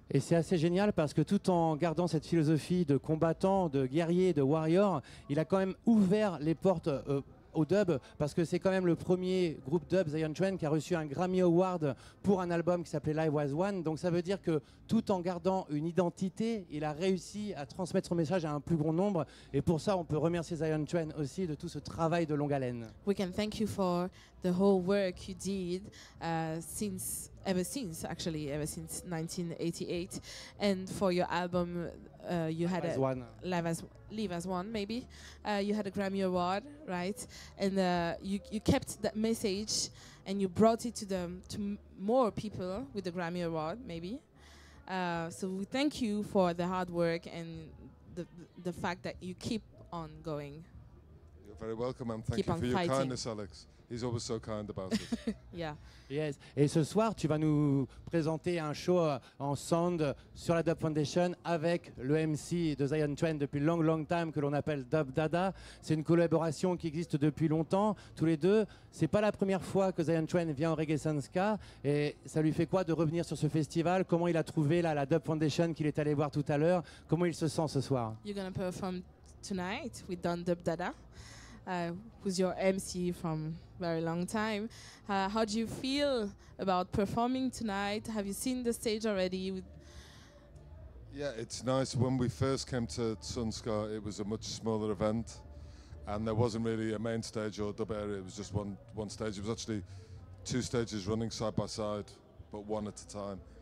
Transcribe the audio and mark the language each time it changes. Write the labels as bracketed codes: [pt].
[fr] Et c'est assez génial parce que tout en gardant cette philosophie de combattant, de guerrier, de warrior, il a quand même ouvert les portes au dub, parce que c'est quand même le premier groupe dub, Zion Train, qui a reçu un Grammy Award pour un album qui s'appelait Live Was One. Donc ça veut dire que tout en gardant une identité, il a réussi à transmettre son message à un plus grand nombre. Et pour ça, on peut remercier Zion Train aussi de tout ce travail de longue haleine. [en] We can thank you for the whole work you did ever since 1988, and for your album, you had a Grammy Award, right? And you kept that message, and you brought it to more people with the Grammy Award, maybe. So we thank you for the hard work and the fact that you keep on going. You're very welcome, and thank you for your kindness, Alex. He's always so kind about it. Yeah. Yes. [fr] Et ce soir, tu vas nous présenter un show en sound sur la Dub Foundation avec le MC de Zion Train depuis [en] long, long time [fr] que l'on appelle DUBDADDA. C'est une collaboration qui existe depuis longtemps, tous les deux. C'est pas la première fois que Zion Train vient au Reggae Sun Ska. Et ça lui fait quoi de revenir sur ce festival? Comment il a trouvé la Dub Foundation qu'il est allé voir tout à l'heure? Comment il se sent ce soir? [en] You're going to perform tonight with DUBDADDA, who's your MC from very long time. How do you feel about performing tonight? Have you seen the stage already? Yeah, it's nice. When we first came to Sun Ska, it was a much smaller event, and there wasn't really a main stage or a dub area. It was just one stage. It was actually two stages running side by side, but one at a time.